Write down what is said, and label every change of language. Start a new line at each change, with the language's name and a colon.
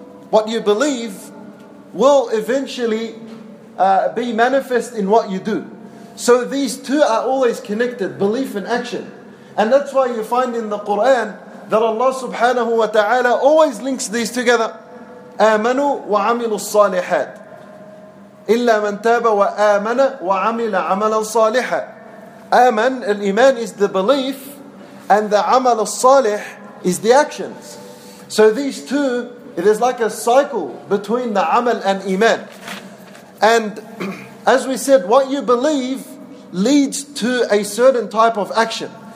English: What you believe will eventually be manifest in what you do. So these two are always connected, belief and action. And that's why you find in the Quran that Allah subhanahu wa ta'ala always links these together.
Arabic: آمنوا وعملوا الصالحات إلا من تاب وآمن وعمل عملا صالحا.
English: آمن, الإيمان, is the belief, and the عمل الصالح is the actions. So these two, it is like a cycle between the عمل and إيمان. And as we said, what you believe leads to a certain type of action.